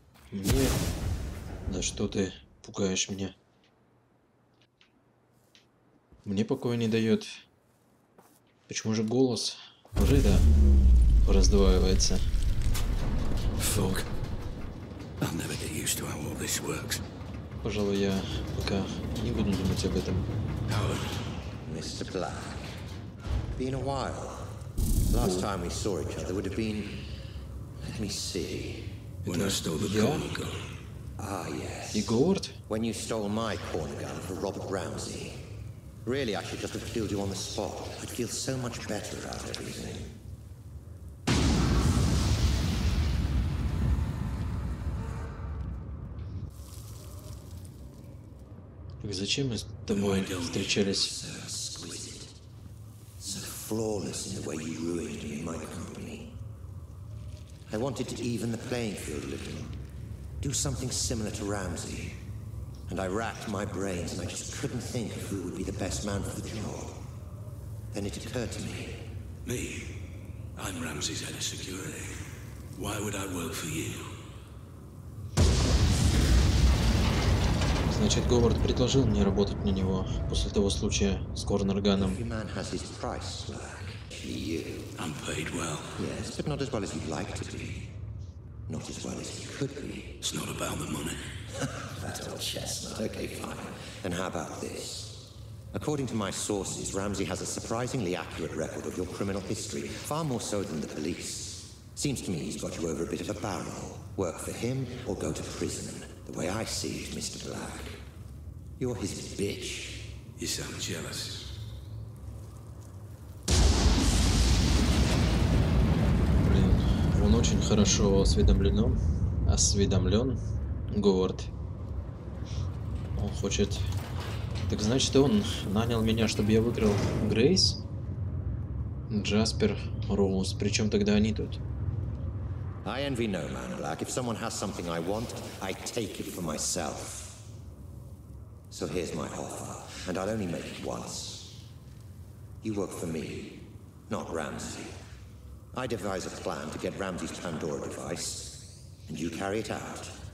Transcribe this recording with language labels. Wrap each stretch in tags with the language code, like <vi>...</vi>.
<ru>Мне... Да что ты пугаешь меня? Мне покоя не дает. Почему же голос Рида раздваивается?</ru> <en>Fuck. I'll never get used to how all this works.</en> <ru>Пожалуй, я пока не буду думать об этом.</ru> <en>Mr. Black. Been a while. Last time we saw each other would have been. Let me see. When I stole the corn gun. Ah, yes.</en> <ru>Егорд?</ru> <en>When you stole my corn gun for Robert Ramsey. Really, I should just have killed you on the spot. I'd feel so much better about everything.</en> <ru>Так зачем мы с тобой встречались?</ru> <en>So exquisite. So flawless in the way you ruined me and my company. I wanted to even the playing field a little. Do something similar to Ramsey. And I racked my brains, and I just couldn't think of who would be the best man for the job. Then it occurred to me. Me? I'm Ramsey's head of security. Why would I work for you?</en> <ru>Значит, Говард предложил мне работать на него после того случая с Корнерганом.</ru> <en>Every man has his price, Black. You. I'm paid well. Yes, but not as well as you'd like to be. Not as well as you could be. It's not about the money. That old chestnut. Okay, fine. Then how about this? According to my sources, Ramsey has a surprisingly accurate record of your criminal history, far more so than the police. Seems to me he's got you over a bit of a barrel. Work for him or go to prison. The way I see it, Mr. Black. You're his bitch. You sound jealous.</en> <ru>Блин, он очень хорошо осведомлен. Говард. Он хочет... Так значит, он нанял меня, чтобы я выиграл Грейс, Джаспер, Роуз. Причем тогда они тут?</ru> <en>I envy no man, Black. If someone has something I want, I take it for myself. So here's my offer, and I'll only make it once. You work for me, not Ramsey. I devise a plan to get Ramsey's Pandora device, and you carry it out.</en>